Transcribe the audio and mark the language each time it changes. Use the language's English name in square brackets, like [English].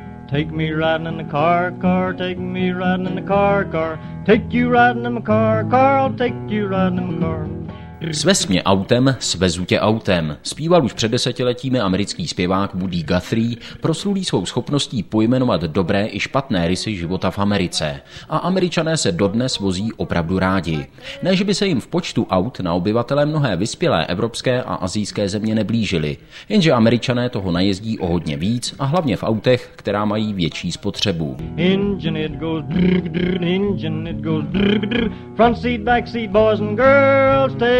[English] Take me riding in the car, car, take me riding in the car, car. Take you riding in my car, car, I'll take you riding in my car. [Czech] Svez mě autem, svezu tě autem. Zpíval už před desetiletími americký zpěvák Woody Guthrie, proslulý svou schopností pojmenovat dobré i špatné rysy života v Americe. A Američané se dodnes vozí opravdu rádi. Ne, že by se jim v počtu aut na obyvatele mnohé vyspělé evropské a asijské země neblížily. Jenže Američané toho najezdí o hodně víc a hlavně v autech, která mají větší spotřebu. [English] Engine it goes drr, drr, engine it goes drr, drr, front seat, back seat, boys and girls,